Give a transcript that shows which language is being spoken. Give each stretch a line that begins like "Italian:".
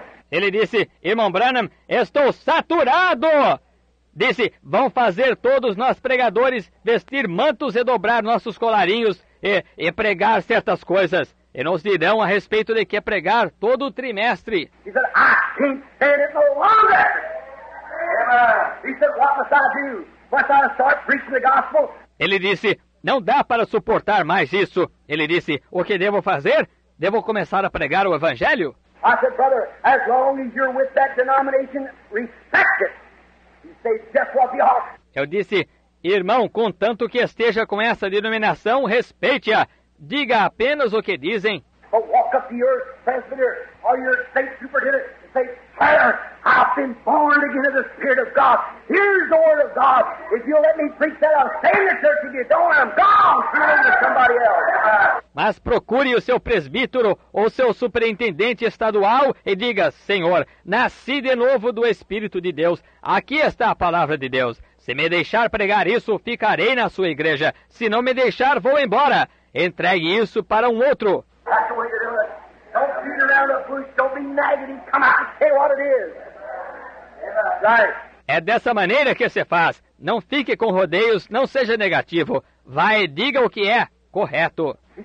Portuguese: Ele disse, irmão Branham, estou saturado. Disse, vão fazer todos nós pregadores vestir mantos e dobrar nossos colarinhos e pregar certas coisas. E nos dirão a respeito de que é pregar todo o trimestre.
English: He said, I can't stand it no longer. Yeah. He said, what must I do? Must I start preaching the gospel?
Portuguese: Ele disse, não dá para suportar mais isso. Ele disse, o que devo fazer? Devo começar a pregar o evangelho?
English: I said, brother, as long as you're with that denomination, respect it. He said, just what the ark.
Portuguese: Eu disse, irmão, contanto que esteja com essa denominação, respeite-a. Diga apenas o que dizem.
English: But walk up to your presbyter or your state superintendent and say, sir, I've been born again of the Spirit of God. Here's the word of God. If you'll let me preach that, I'll stay in the church. If you don't, I'm gone. Turn to somebody else.
Portuguese: Mas procure o seu presbítero ou seu superintendente estadual e diga, Senhor, nasci de novo do Espírito de Deus. Aqui está a palavra de Deus. Se me deixar pregar isso, ficarei na sua igreja. Se não me deixar, vou embora. Entregue isso para um outro.
English: That's the way you do it. Don't beat around the bush. Don't be nagging. Come out and say what it is. Right.
Portuguese: É dessa maneira que se faz. Não fique com rodeios. Não seja negativo. Vai e diga o que é. Correto.